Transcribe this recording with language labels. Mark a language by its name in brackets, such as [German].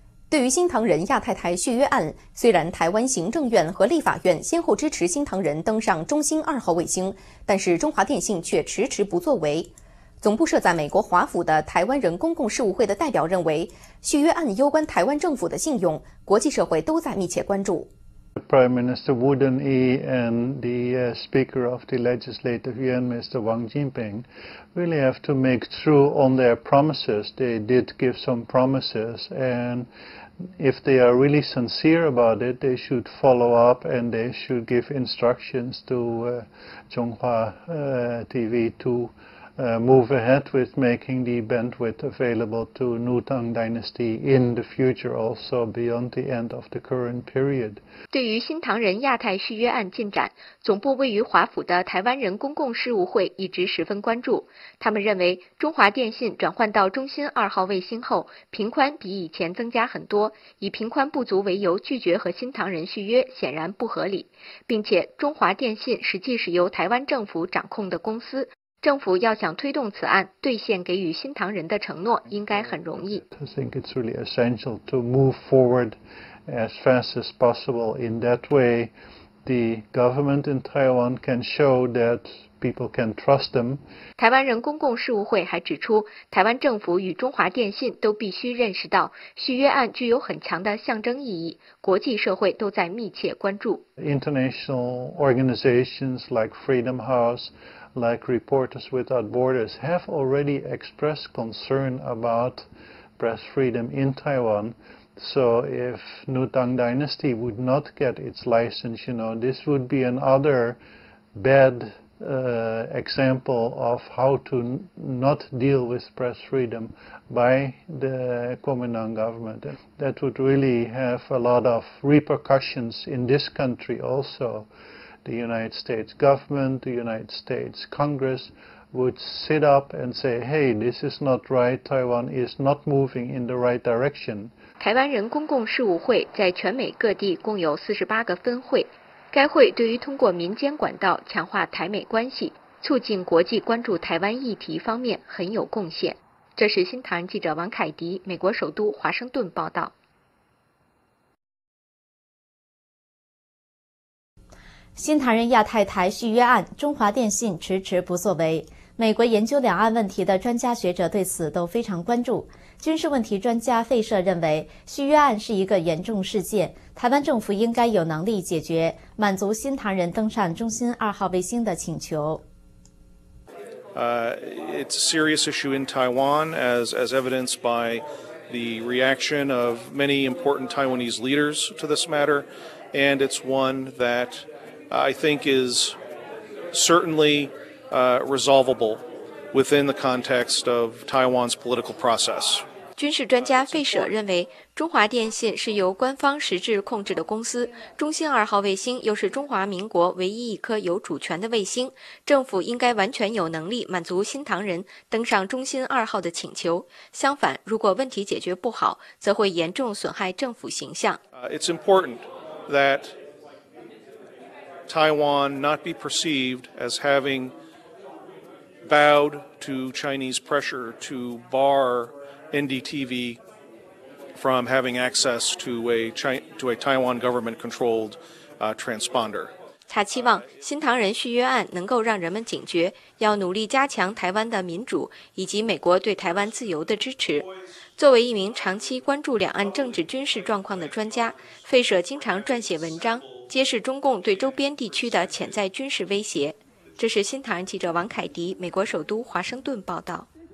[Chinese] 对于新唐人亚太台续约案，虽然台湾行政院和立法院先后支持新唐人登上中兴二号卫星，但是中华电信却迟迟不作为。总部设在美国华府的台湾人公共事务会的代表认为，续约案攸关台湾政府的信用，国际社会都在密切关注。 [English] Prime Minister Wu Deng-yi and the Speaker of the Legislative Yuan, Mr. Wang Jinping, really have to make true on their promises. They did give some promises, and if they are really sincere about it, they should follow up and they should give instructions to Zhonghua TV to move ahead with making the bandwidth available to New Tang Dynasty in the future, also beyond the end of the current period. [Chinese] 对于新唐人亚太续约案进展，总部位于华府的台湾人公共事务会一直十分关注。他们认为，中华电信转换到中兴二号卫星后，频宽比以前增加很多，以频宽不足为由拒绝和新唐人续约显然不合理，并且中华电信实际是由台湾政府掌控的公司。政府要想推动此案兑现给予新唐人的承诺，应该很容易。 [English] I think it's really essential to move forward as fast as possible. In that way, the government in Taiwan can show that people can trust them. [Chinese] 台湾人公共事务会还指出，台湾政府与中华电信都必须认识到，续约案具有很强的象征意义，国际社会都在密切关注。 [English] International organizations like Freedom House,like Reporters Without Borders have already expressed concern about press freedom in Taiwan. So if New Tang Dynasty would not get its license, you know, this would be another bad example of how to not deal with press freedom by the Kuomintang government. That would really have a lot of repercussions in this country also. The United States government, the United States Congress would sit up and say, hey, this is not right, Taiwan is not moving in the right direction. [Chinese] 台湾人公共事务会在全美各地共有48个分会，该会对于通过民间管道强化台美关系，促进国际关注台湾议题方面很有贡献。这是新唐人记者王凯迪，美国首都华盛顿报道。新唐人亚太台续约案，中华电信迟迟不作为。美国研究两岸问题的专家学者对此都非常关注。军事问题专家费舍认为，续约案是一个严重事件，台湾政府应该有能力解决，满足新唐人登上中兴二号卫星的请求。 [English] It's a serious issue in Taiwan, as evidenced by the reaction of many important Taiwanese leaders to this matter, and it's one that. I think is certainly resolvable within the context of Taiwan's political process. [Chinese] 军事专家费舍认为，中华电信是由官方实质控制的公司，中兴二号卫星又是中华民国唯一一颗有主权的卫星，政府应该完全有能力满足新唐人登上中兴二号的请求。相反，如果问题解决不好，则会严重损害政府形象。 [English] It's important that Taiwan not be perceived as having bowed to Chinese pressure to bar NDTV from having access to a Taiwan government-controlled transponder. [Chinese] 他期望新唐人续约案能够让人们警觉，要努力加强台湾的民主以及美国对台湾自由的支持。作为一名长期关注两岸政治军事状况的专家，费舍经常撰写文章，揭示中共对周边地区的潜在军事威胁。这是新唐人记者王凯迪，美国首都华盛顿报道。